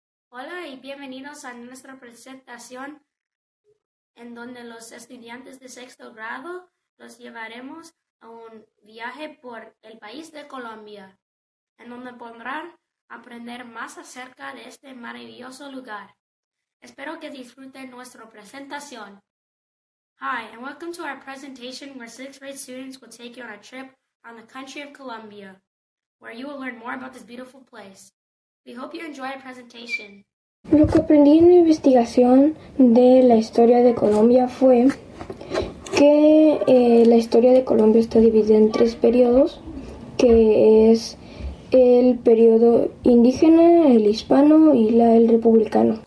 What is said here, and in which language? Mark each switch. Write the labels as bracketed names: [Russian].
[Spanish] Hola y bienvenidos a nuestra presentación en donde los estudiantes de sexto grado los llevaremos a un viaje por el país de Colombia, en donde podrán aprender más acerca de este maravilloso lugar. Espero que disfruten nuestra presentación. [English] Hi, and welcome to our presentation where sixth grade students will take you on a trip on the country of Colombia, where you will learn more about this beautiful place. We hope you enjoy our presentation. [Spanish] Lo que aprendí en mi investigación de la historia de Colombia fue que la historia de Colombia está dividida en tres periodos, que es el periodo indígena, el hispano y el republicano.